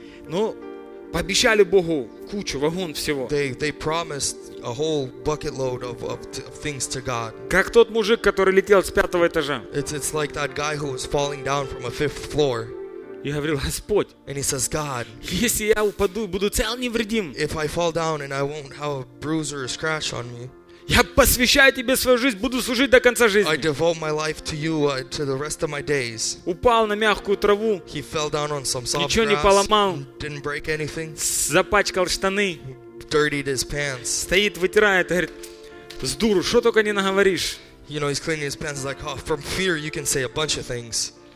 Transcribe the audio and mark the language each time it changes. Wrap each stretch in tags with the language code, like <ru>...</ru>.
<ru>но пообещали Богу кучу, вагон всего.</ru> <en>They promised a whole bucket load of things to God.</en> <ru>Как тот мужик, который летел с пятого этажа.</ru> <en>It's like that guy who was falling down from a fifth floor.</en> <ru>И говорил, Господь,</ru> <en>and he says, God,</en> <ru>если я упаду, буду цел невредим,</ru> <en>if I fall down and I won't have a bruise or a scratch on me,</en> <ru>я посвящаю тебе свою жизнь, буду служить до конца жизни.</ru> <en>I devote my life to you, to the rest of my days.</en> <ru>Упал на мягкую траву.</ru> <en>He fell down on some soft</en> <ru>ничего</ru> <en>grass,</en> <ru>не поломал.</ru> <en>Didn't break anything.</en> <ru>Запачкал штаны.</ru> <en>Dirtied his pants.</en> <ru>Стоит, вытирает, говорит, с дуру, что только не наговоришь.</ru> <en>You know, he's cleaning his pants, like, oh, from fear you can say a bunch of things.</en>